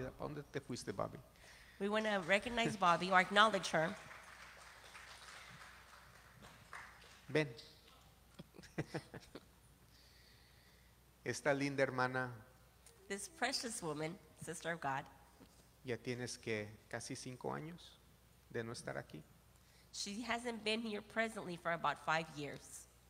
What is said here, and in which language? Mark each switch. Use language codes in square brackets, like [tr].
[es] ¿A dónde te fuiste, Bobby? [en] We want to recognize Bobby or acknowledge her. [es] Ven. Esta linda hermana. [en] This precious woman, sister of God. [es] Ya tienes que casi 5 años de no estar aquí. [en] She hasn't been here presently for about 5 years.